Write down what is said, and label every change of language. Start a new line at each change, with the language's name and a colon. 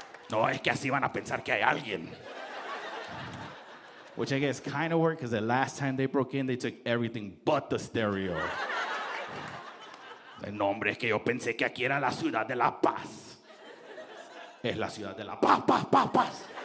Spanish: No, es que así van a pensar que hay alguien.
English: Which I guess kind of worked, because the last time they broke in, they took everything but the stereo.
Spanish: El nombre es que yo pensé que aquí era la ciudad de la paz. Es la ciudad de la paz, paz, paz, paz.